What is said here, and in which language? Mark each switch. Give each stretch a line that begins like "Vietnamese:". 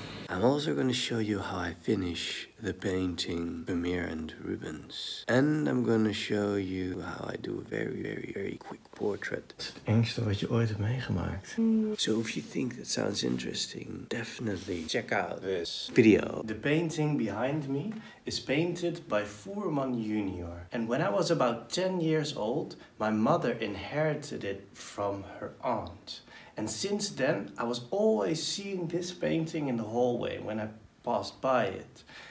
English: I'm also going to show you how I finish the painting Vermeer and Rubens. And I'm going to show you how I do a very, very, very quick portrait.
Dutch: Het engste wat je ooit hebt meegemaakt.
English: So if you think that sounds interesting, definitely check out this video. The painting behind me is painted by Voerman Junior. And when I was about 10 years old, my mother inherited it from her aunt. And since then, I was always seeing this painting in the hallway when I passed by it.